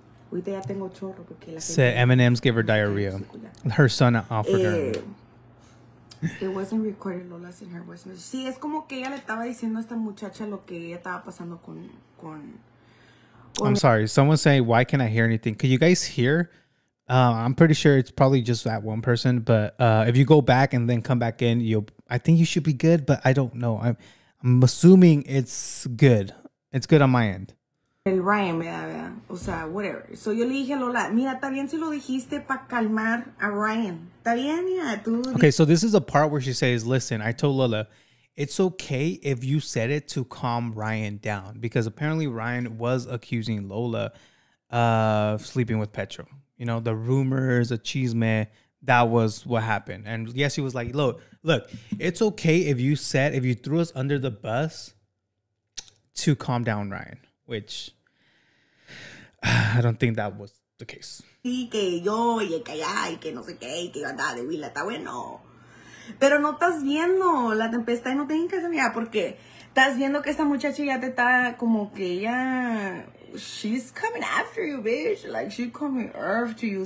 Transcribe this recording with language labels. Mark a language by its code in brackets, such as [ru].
[es] Ahorita ya tengo chorro. [en] M&M's gave her diarrhea. Her son offered her. It wasn't recorded, Lola's in her voice message. [es] Sí, es como que ella le estaba diciendo a esta muchacha lo que ella estaba pasando con [en] I'm sorry. Someone say, why can't I hear anything? Could you guys hear? I'm pretty sure it's probably just that one person. But if you go back and then come back in, I think you should be good. But I don't know. I'm assuming it's good. It's good on my end. [es] El Ryan me da, ¿verdad? O sea, whatever. So yo le dije a Lola, mira, está bien si lo dijiste para calmar a Ryan. Está bien, mira, tú. [en] Okay, so this is a part where she says, listen, I told Lola, it's okay if you said it to calm Ryan down. Because apparently Ryan was accusing Lola of sleeping with Petro. You know, the rumors, the chisme, that was what happened. And yes, he was like, look, it's okay if you said, if you threw us under the bus to calm down Ryan. Which, I don't think that was the case. [es] Sí, que yo, y que allá, y que no sé qué, y que yo andaba de huila, está bueno. Pero no estás viendo la tempestad y no tienen casa, mira, porque estás viendo que esta muchacha ya te está como que ya... [en] She's coming after you, bitch. Like, she's coming after you.